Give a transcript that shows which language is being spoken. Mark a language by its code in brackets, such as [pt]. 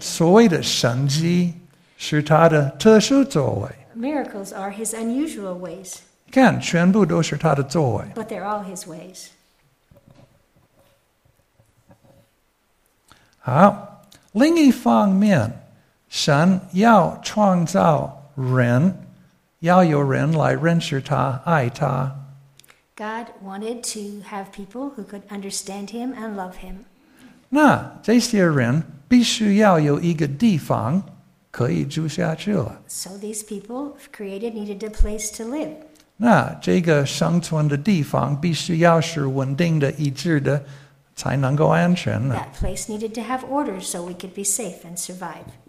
[zh] 所谓的神迹是他的特殊作为。 [en] Miracles are his unusual ways. [zh] 看，全部都是他的作为。 [en] But they're all his ways. [zh] 好，另一方面，神要创造人，要有人来认识他，爱他。 [en] God wanted to have people who could understand him and love him. [zh] 那这些人必须要有一个地方可以住下去了。 [en] So these people created needed a place to live. [zh] 那这个生存的地方必须要是稳定的、一致的，才能够安全。 [en] That place needed to have order so we could be safe and survive.